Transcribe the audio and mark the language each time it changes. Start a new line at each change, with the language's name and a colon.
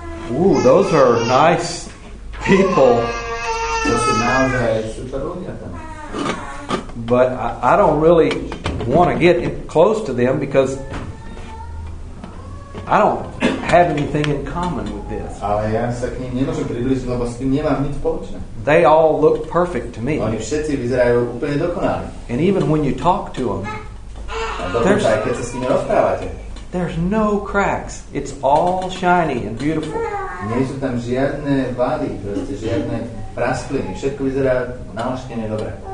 English: Ooh, those are nice people.
Slovak: To sú naozaj super ľudia tam.
English: But I don't really want to get close to them because I don't have anything in common with this.
Slovak: Ale ja sa k ním nemôžem priblížiť, lebo s tým nemám nič spoločné.
English: They all look perfect to me.
Slovak: Oni všetci vyzerajú úplne dokonali.
English: And even when you talk to them,
Slovak: keď sa s nimi rozprávate,
English: there's no cracks. It's all shiny and beautiful.
Slovak: Nie sú tam žiadne vady, proste žiadne praskliny. Všetko vyzerá naleštené dobre.